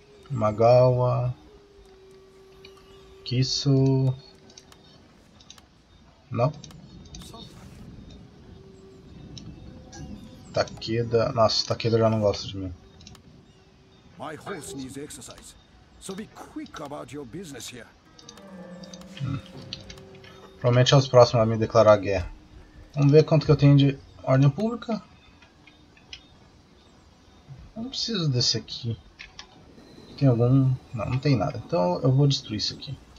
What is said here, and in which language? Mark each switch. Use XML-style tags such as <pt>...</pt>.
<pt>Magawa. Kiso. Não? Takeda. Nossa, Takeda já não gosta de mim.</pt> <en>My horse needs exercise. So be quick about your business here.</en> <pt>Provavelmente é os próximos a me declarar a guerra. Vamos ver quanto que eu tenho de ordem pública. Eu não preciso desse aqui. Tem algum? Não, não tem nada. Então eu vou destruir isso aqui.</pt>